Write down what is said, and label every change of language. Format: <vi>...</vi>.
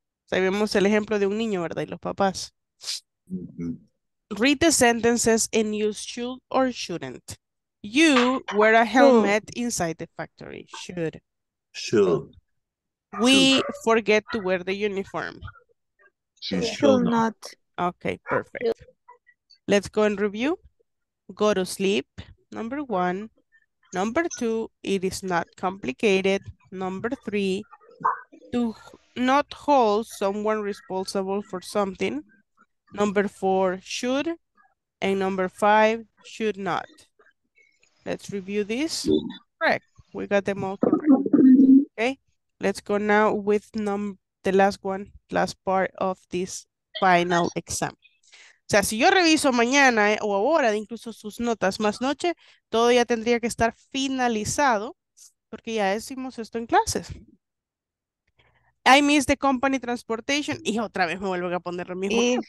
<es>Sabemos el ejemplo de un niño, ¿verdad? Y los papás.</es> <en>Read the sentences and you should or shouldn't. You wear a helmet inside the factory. Should. Should. We forget to wear the uniform. Should not. Okay, perfect. Let's go and review. Go to sleep. Number one. Number two, it is not complicated. Number three, to not hold someone responsible for something. Number four, should. And number five, should not. Let's review this. Correct. We got them all correct. Okay. Let's go now with the last one, last part of this final exam.</en> <es>O sea, si yo reviso mañana o ahora, incluso sus notas más noche, todo ya tendría que estar finalizado porque ya hicimos esto en clases.</es> <en>I miss the company transportation.</en> <es>Y otra vez me vuelvo a poner lo mismo.</es>